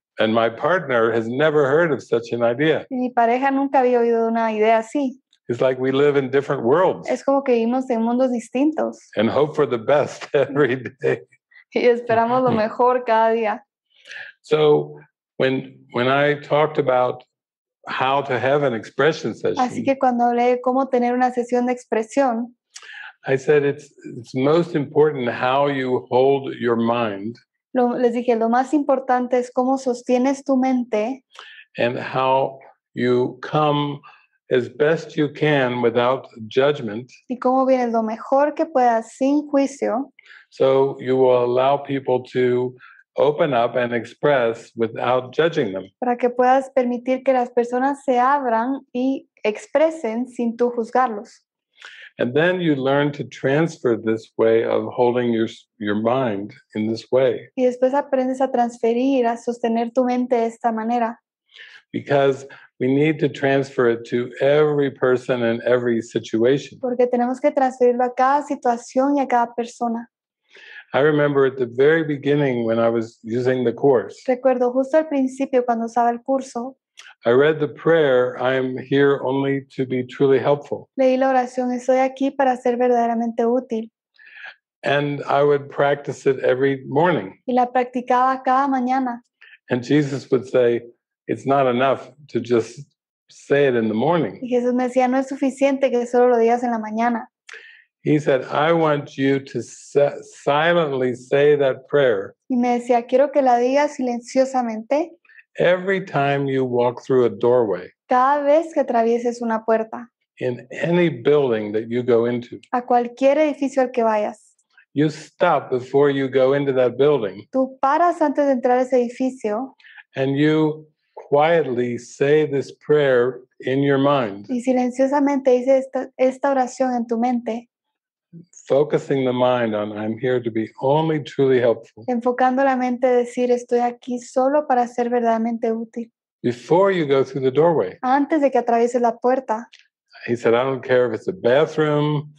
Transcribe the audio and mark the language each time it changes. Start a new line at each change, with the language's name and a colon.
English: And my partner has never heard of such an idea.
Spanish: Y mi pareja nunca había oído una idea así.
English: It's like we live in different worlds.
Spanish: Es como que vivimos en mundos distintos.
English: And hope for the best every day.
Spanish: Y esperamos lo mejor cada día.
English: So when I talked about how to have an expression session.
Spanish: Así que cuando hablé de cómo tener una sesión de expresión.
English: I said it's most important how you hold your mind.
Spanish: Les dije, lo más importante es cómo sostienes tu mente.
English: And how you come as best you can without judgment.
Spanish: Y cómo vienes lo mejor que puedas sin juicio.
English: So you will allow people to open up and express without judging them.
Spanish: Para que puedas permitir que las personas se abran y expresen sin tú juzgarlos.
English: And then you learn to transfer this way of holding your mind in this way.
Spanish: Y después aprendes a transferir, a sostener tu mente de esta manera.
English: Because we need to transfer it to every person and every situation.
Spanish: Porque tenemos que transferirlo a cada situación y a cada persona.
English: I remember at the very beginning when I was using the course.
Spanish: Recuerdo justo al principio cuando usaba el curso.
English: I read the prayer, I am here only to be truly helpful.
Spanish: Leí la oración, estoy aquí para ser verdaderamente útil.
English: And I would practice it every morning.
Spanish: Y la practicaba cada mañana.
English: And Jesus would say, it's not enough to just say it in the morning.
Spanish: Y Jesús me decía, no es suficiente que solo lo digas en la mañana.
English: He said, I want you to silently say that prayer.
Spanish: Y me decía, quiero que la digas silenciosamente.
English: Every time you walk through a doorway.
Spanish: Cada vez que atravieses una puerta.
English: In any building that you go into.
Spanish: A cualquier edificio al que vayas.
English: You stop before you go into that building.
Spanish: Tú paras antes de entrar a ese edificio.
English: And you quietly say this prayer in your mind.
Spanish: Y silenciosamente dices esta oración en tu mente.
English: Focusing the mind on I'm here to be only truly helpful.
Spanish: Enfocando la mente, decir estoy aquí solo para ser verdaderamente útil.
English: Before you go through the doorway.
Spanish: Antes de que atravieses la puerta.
English: He said, I don't care if it's a bathroom.